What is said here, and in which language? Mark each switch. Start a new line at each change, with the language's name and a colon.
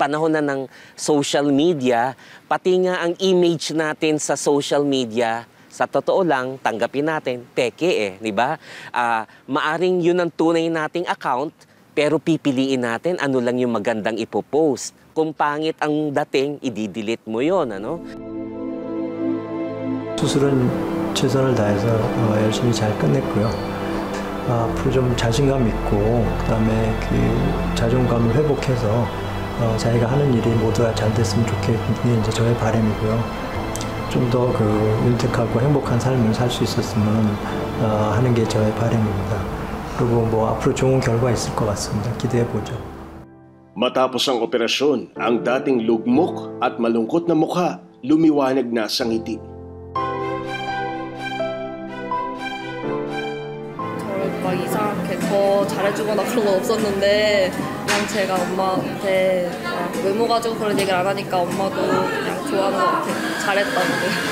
Filipino: Panahon na ng social media, pati nga ang image natin sa social media, sa totoo lang, tanggapin natin, peke . Diba? Maaring yun ang tunay nating account, pero pipiliin natin ano lang yung magandang ipopost. Kung pangit ang dating, i-delete mo yun, ano? Susurin.
Korean: 최선을 다해서 열심히 잘 끝냈고요. 앞으로 좀 자신감 있고 그다음에 그 자존감을 회복해서 자기가 하는 일이 모두 잘 됐으면 좋겠는 게 이제 저의 바람이고요. 좀 더 그 윤택하고 행복한 삶을 살 수 있었으면 하는 게 저의 바람입니다. 그리고 뭐 앞으로 좋은 결과 있을 것 같습니다. 기대해 보죠.
Filipino: 마타포스 ang operasyon, ang dating lugmok at malungkot na mukha lumiwanag na sa ngiti.
Korean: Na 그런 거 없었는데 그냥 제가 엄마한테 막 외모 가지고 그런 얘기를 안 하니까 엄마도 그냥 좋아하는 것 같아요. 잘했다는데.